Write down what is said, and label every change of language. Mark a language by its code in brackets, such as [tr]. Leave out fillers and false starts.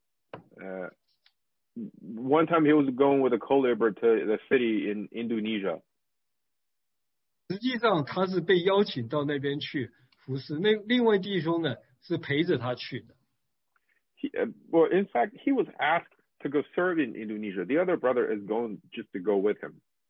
[zh] 他有一次呢，他跟一位同工一起到印尼的泗水去服侍。 [en] One time he was going with a co-laborer to the city in Indonesia. [zh] 实际上他是被邀请到那边去服侍，那另外弟兄呢是陪着他去的。 [en] Well, in fact, he was asked to go serve in Indonesia. The other brother is going just to go with him.